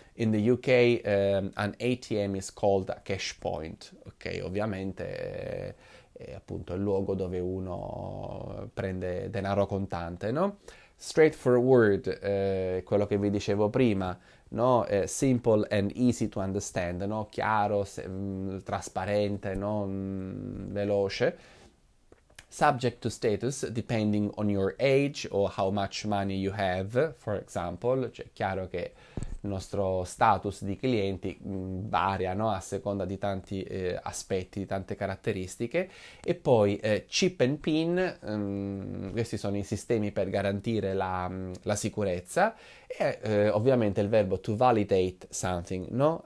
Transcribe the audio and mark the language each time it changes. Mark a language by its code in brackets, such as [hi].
[en] In the UK an ATM is called a cash point. [it] Ok, ovviamente è appunto il luogo dove uno prende denaro contante, no? [en] Straightforward, [it] quello che vi dicevo prima, no? [en] Simple and easy to understand, no? [it] Chiaro, trasparente, [en] no? [it] Veloce. [en] Subject to status, depending on your age or how much money you have, for example. [it] Cioè, chiaro che il nostro status di clienti varia, no? A seconda di tanti aspetti, di tante caratteristiche. E poi chip and PIN, questi sono i sistemi per garantire la sicurezza. E ovviamente il verbo [en] to validate something, [it] no?